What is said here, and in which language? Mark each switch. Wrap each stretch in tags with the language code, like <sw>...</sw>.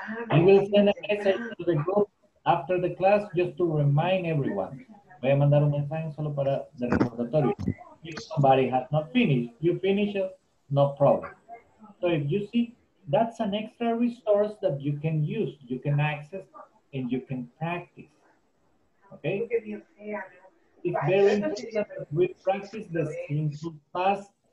<en>I will send a message to the group after the class just to remind everyone.</en> <es>Voy a mandar un mensaje solo para el recordatorio.</es> <en>If somebody has not finished, you finish it, no problem. So if you see, that's an extra resource that you can use, you can access, and you can practice. Okay? It's very important that we practice the simple past.</en>